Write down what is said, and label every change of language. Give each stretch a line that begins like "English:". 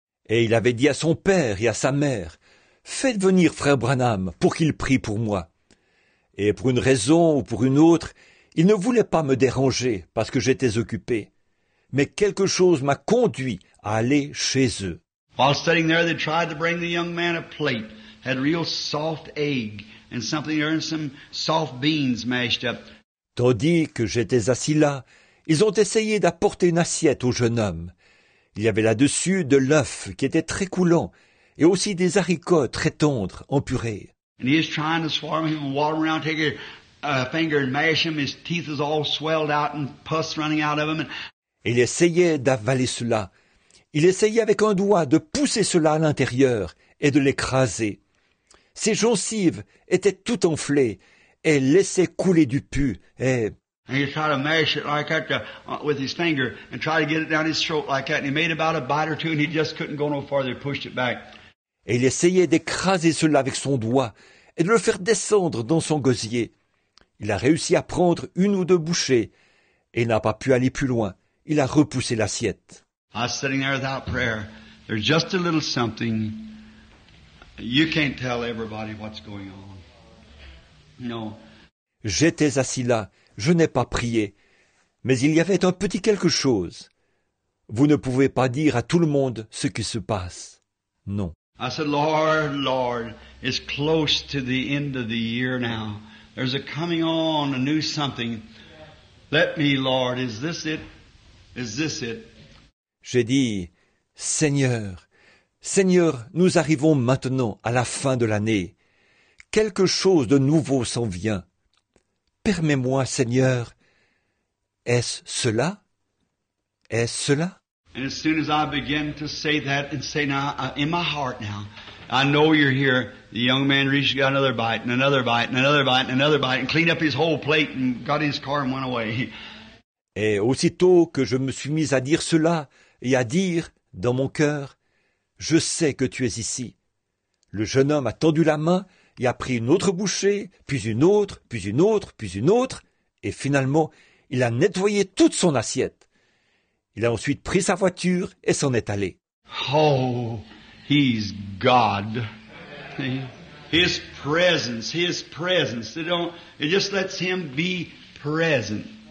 French: Et il avait dit à son père et à sa mère, faites venir frère Branham pour qu'il prie pour moi. Et pour une raison ou pour une autre, il ne voulait pas me déranger parce que j'étais occupé. Mais quelque chose m'a conduit à aller chez eux.
English: While sitting there, they tried to bring the young man a plate. Had real soft egg and something there and some soft beans mashed up.
French: Tandis que j'étais assis là, ils ont essayé d'apporter une assiette au jeune homme. Il y avait là-dessus de l'œuf qui était très coulant et aussi des haricots très tendres en purée.
English: And he is trying to swarm him and walk around taking a finger and mash him. His teeth is all swelled out and pus running out of him.
French: Et il essayait d'avaler cela. Il essayait avec un doigt de pousser cela à l'intérieur et de l'écraser. Ses gencives étaient tout enflées et laissaient couler du pu. Et
English: he tried to mash it like that with his finger and tried to get it down his throat like that. And he made about a bite or two and he just couldn't go no farther. He pushed it back.
French: Et il essayait d'écraser cela avec son doigt et de le faire descendre dans son gosier. Il a réussi à prendre une ou deux bouchées et n'a pas pu aller plus loin. Il a repoussé l'assiette.
English: I was sitting there without prayer. There's just a little something. You can't tell everybody what's going on. No.
French: J'étais assis là. Je n'ai pas prié. Mais il y avait un petit quelque chose. Vous ne pouvez pas dire à tout le monde ce qui se passe. Non.
English: I said, Lord, Lord, it's close to the end of the year now. There's a coming on, a new something. Let me, Lord, is this it? Is this it?
French: J'ai dit, Seigneur, Seigneur, nous arrivons maintenant à la fin de l'année. Quelque chose de nouveau s'en vient. Permets-moi, Seigneur, est-ce cela? Est-ce cela?
English: And as soon as I begin to say that and say now, in my heart now, I know you're here. The young man reached, got another bite and another bite and another bite and another bite and cleaned up his whole plate and got in his car and went away.
French: Et aussitôt que je me suis mis à dire cela et à dire dans mon cœur, je sais que tu es ici. Le jeune homme a tendu la main et a pris une autre bouchée, puis une autre, puis une autre, puis une autre, et finalement, il a nettoyé toute son assiette. Il a ensuite pris sa voiture et s'en est allé.
English: Oh, he's God. His presence, it just lets him be present.